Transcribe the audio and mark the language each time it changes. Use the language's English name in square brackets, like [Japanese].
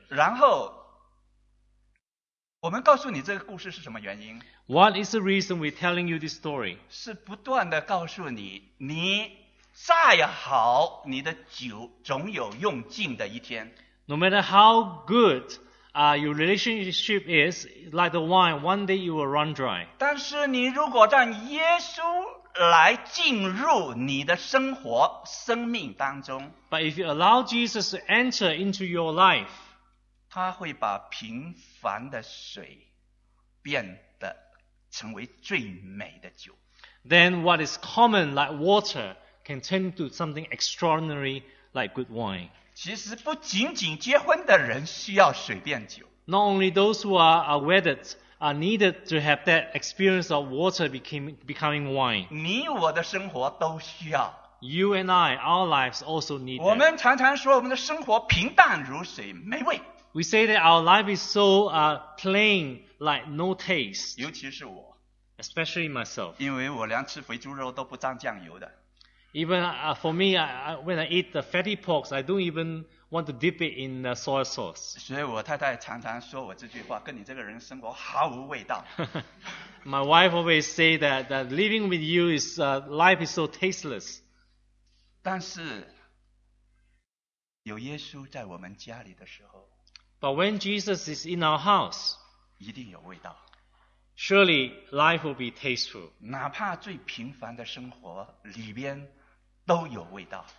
[Chinese] 然后，我们告诉你这个故事是什么原因 [English] ？What is the reason we're telling you this story? [Chinese] 是不断的告诉你，你。再好，你的酒总有用尽的一天。 [English] No matter how good your relationship is, like the wine, one day you will run dry. [Chinese] 但是你如果让耶稣来进入你的生活、生命当中 [English] ，But if you allow Jesus to enter into your life, [Chinese] 他会把平凡的水变得成为最美的酒。 [English] Then what is common like water? Can turn to something extraordinary like good wine. [Chinese] 其实不仅仅结婚的人需要水变酒。 [English] Not only those who are wedded are needed to have that experience of water becoming wine. [Chinese] 你我的生活都需要。 [English] You and I, our lives also need that. [Chinese] 我们常常说我们的生活平淡如水，没味。 [English] We say that our life is so plain, like no taste. [Chinese] 尤其是我。 [English] Especially myself. [Chinese] 因为我连吃肥猪肉都不沾酱油的。 [English] Even for me, when I eat the fatty pork, I don't even want to dip it in the soy sauce. [Chinese] 所以我太太常常说我这句话，跟你这个人生活毫无味道。 [English] My wife always say that living with you is life is so tasteless. [Chinese] 但是有耶稣在我们家里的时候 [English] ，But when Jesus is in our house, [Chinese] 一定有味道。 [English] Surely life will be tasteful. [Chinese] 哪怕最平凡的生活里边都有味道。